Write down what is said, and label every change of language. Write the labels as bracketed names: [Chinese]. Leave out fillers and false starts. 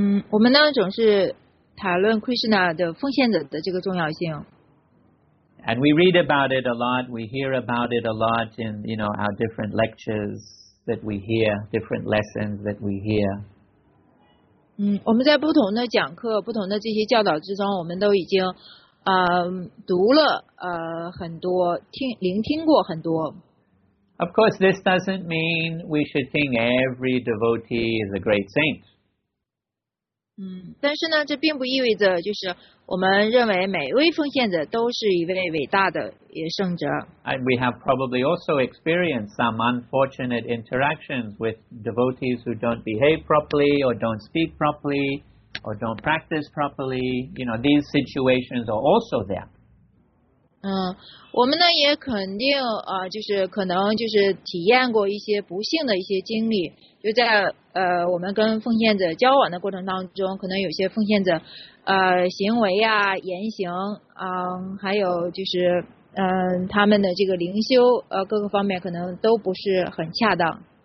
[Chinese] 我们呢总是谈论 Krishna 的奉献者的这个重要性。 [English] And we read about it a lot. We hear about it a lot in, you know, our different lectures. that we hear, different lessons that we hear. [Chinese] 我们在不同的讲课、不同的这些教导之中，我们都已经读了很多，聆听过很多。 [English] Of course, this doesn't mean we should think every devotee is a great saint. [Chinese] 但是呢，这并不意味着就是我们认为每位奉献者都是一位伟大的圣者。 [English] We have probably also experienced some unfortunate interactions with devotees who don't behave properly or don't speak properly or don't practice properly. You know, these situations are also there. [Chinese] 我们呢也肯定就是可能就是体验过一些不幸的一些经历，就在我们跟奉献者交往的过程当中，可能有些奉献者行为啊、言行啊、还有就是他们的这个灵修各个方面可能都不是很恰当。